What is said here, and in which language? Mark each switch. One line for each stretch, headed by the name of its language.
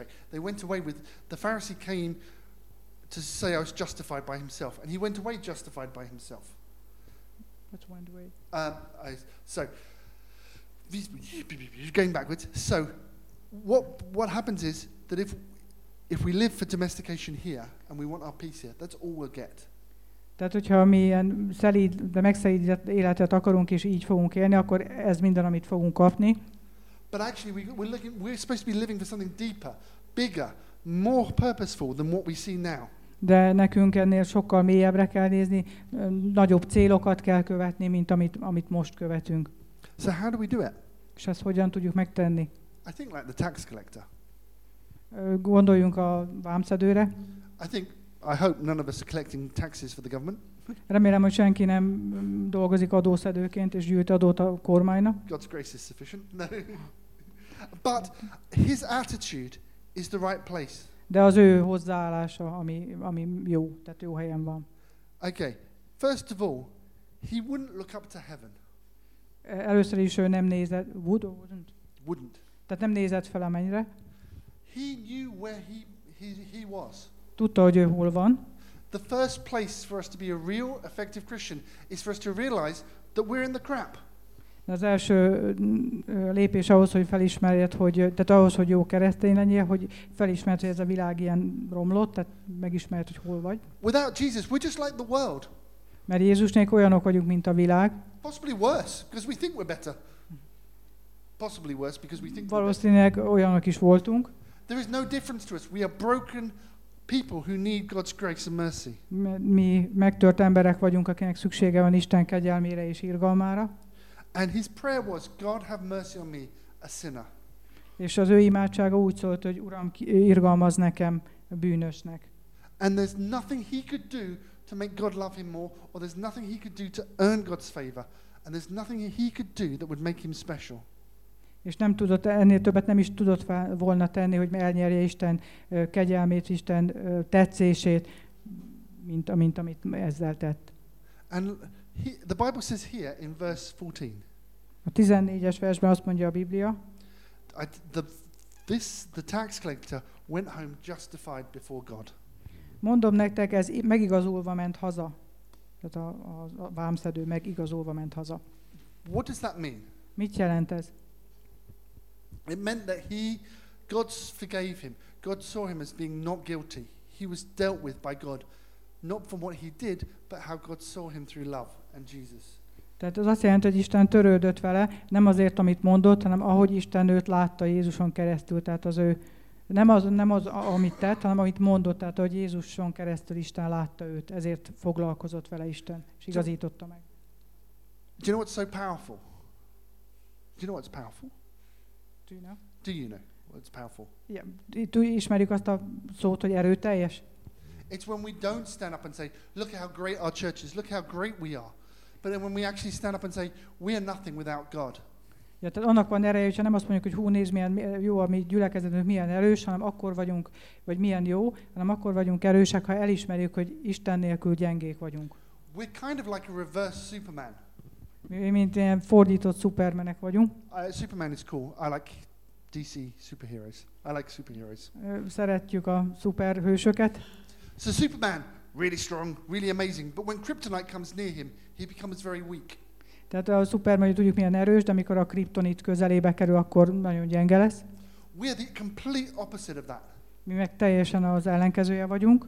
English: They went away with, the Pharisee came to say I was justified by himself, and he went away justified by himself. What went away? Going backwards. So, what happens is that if we live for domestication here and we want our peace here, that's all we'll get.
Hungarian: Tehát, hogyha mi ilyen szelíd, de megszelídített életet akarunk, és így fogunk élni, akkor ez minden, amit fogunk kapni.
English: But actually, we're supposed to be living for something deeper, bigger, more purposeful than what we see now.
Hungarian: De nekünk ennél sokkal mélyebbre kell nézni, nagyobb célokat kell követni, mint amit most követünk.
English: So how do we do it?
Hungarian: És ezt hogyan tudjuk megtenni?
English: I think like the tax collector.
Hungarian: Gondoljunk a vámszedőre.
English: I hope none of us are collecting taxes for the government.
Hungarian: Remélem, hogy senki nem dolgozik adószedőként és gyűjt adót a kormánynak.
English: God's grace is sufficient. No. But his attitude is the right place.
Hungarian: De az ő hozzáállása, ami jó, tehát jó helyen van.
English: Okay. First of all, he wouldn't look up to heaven.
Hungarian: Először is ő nem nézett,
English: wouldn't. Wouldn't.
Hungarian: Tehát nem nézett fel a mennyre.
English: He knew where he was.
Hungarian: Tudta, hogy ő hol van.
English: The first place for us to be a real effective Christian is for us to realize that we're in the crap.
Hungarian: Az első lépés ahhoz, hogy felismerjed, hogy tehát ahhoz, hogy jó keresztény legyél, hogy felismerd, hogy ez a világ ilyen romlott, tehát megismerd, hogy hol vagy.
English: Without Jesus, we're just like the world.
Hungarian: Mert Jézus nélkül olyanok vagyunk, mint a világ.
English: Possibly worse, because we think we're better. Possibly worse, because we think we're
Hungarian: Valószínűleg olyanok is voltunk.
English: There is no difference to us. We are broken people who need God's grace and mercy.
Hungarian: Mi megtört emberek vagyunk, akinek szüksége van Isten kegyelmére és irgalmára.
English: And his prayer was, God have mercy on me, a sinner.
Hungarian: És az ő imádsága úgy szólt, hogy Uram, irgalmazz nekem, a bűnösnek.
English: And there's nothing he could do to make God love him more, or there's nothing he could do to earn God's favor, and there's nothing he could do that would make him special.
Hungarian: És nem tudott ennél többet, nem is tudott volna tenni, hogy elnyerje Isten kegyelmét, Isten tetszését, mint amit ezzel tett.
English: And the Bible says here in verse 14.
Hungarian: A 14-es versben azt mondja a Biblia.
English: The tax collector went home justified before God.
Hungarian: Mondom nektek, ez megigazolva ment haza. Tehát a vámszedő megigazolva ment haza.
English: What does that mean?
Hungarian: Mit jelent ez?
English: It meant that God forgave him. God saw him as being not guilty. He was dealt with by God, not from what he did, but how God saw him through love and Jesus.
Hungarian: Tehát az azt jelenti, hogy Isten törődött vele, nem azért, amit mondott, hanem ahogy Isten őt látta Jézuson keresztül. Tehát az ő, nem az, amit tett, hanem amit mondott, tehát ahogy Jézuson keresztül Isten látta őt, ezért foglalkozott vele Isten, és igazította meg.
English: Do you know what's so powerful? Do you know what's powerful? Do you know? Well, it's powerful. Yeah. Do you
Hungarian: ismerjük azt a szót, hogy erőteljes?
English: It's when we don't stand up and say, look how great our church is, look how great we are. But then when we actually stand up and say, we are nothing without God.
Hungarian: Ja, tehát annak van ereje, hogyha nem azt mondjuk, hogy hú, nézd, milyen jó a mi gyülekezetünk, milyen erős, hanem akkor vagyunk, vagy milyen jó, hanem akkor vagyunk erősek, ha elismerjük, hogy Isten nélkül gyengék vagyunk.
English: We're kind of like a reverse Superman.
Hungarian: Mi, mint ilyen fordított Supermanek vagyunk.
English: Superman is cool. I like DC superheroes. I like superheroes.
Hungarian: Szeretjük a szuperhősöket.
English: So Superman, really strong, really amazing. But when kryptonite comes near him, he becomes very weak.
Hungarian: Tehát a Superman, hogy tudjuk, milyen erős, de amikor a kryptonit közelébe kerül, akkor nagyon gyenge lesz.
English: We are the complete opposite of that.
Hungarian: Mi meg teljesen az ellenkezője vagyunk.